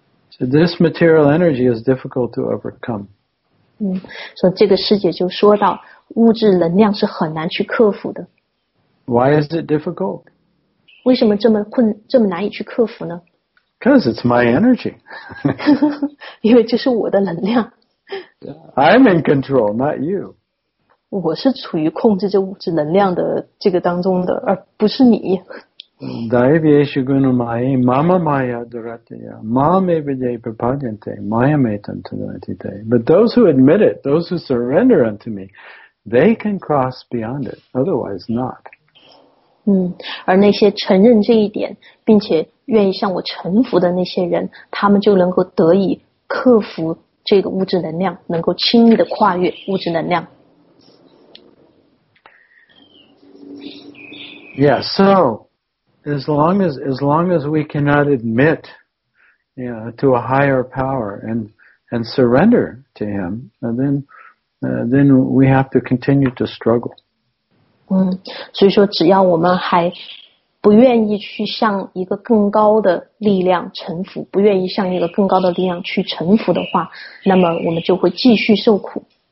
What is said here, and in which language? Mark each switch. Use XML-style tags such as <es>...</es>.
<en>So this material energy is difficult to overcome.</en> <zh>所以这个师姐就说到物质能量是很难去克服的。</zh> <en>Why is it difficult?</en> <zh>为什么这么难以去克服呢？</zh> <en>Because it's my energy.</en> <zh>因为这是我的能量。</zh> <en>I'm in control, not you.</en> <zh>我是处于控制着物质能量的这个当中的，而不是你。</zh> <sa>Daivyesha gunamayi mama maya duratyaya mama evajay prapadyante mayam etan turantite.</sa> <en>But those who admit it, those who surrender unto me, they can cross beyond it, otherwise not.</en> <zh>而那些承认这一点并且愿意向我臣服的那些人，他们就能够得以克服这个物质能量，能够轻易的跨越物质能量。</zh> <en>Yeah, so As long as we cannot admit, you know, to a higher power and surrender to him, then we have to continue to struggle.</en> <zh>所以说只要我们还不愿意去向一个更高的力量臣服，不愿意向一个更高的力量去臣服的话，那么我们就会继续受苦。</zh>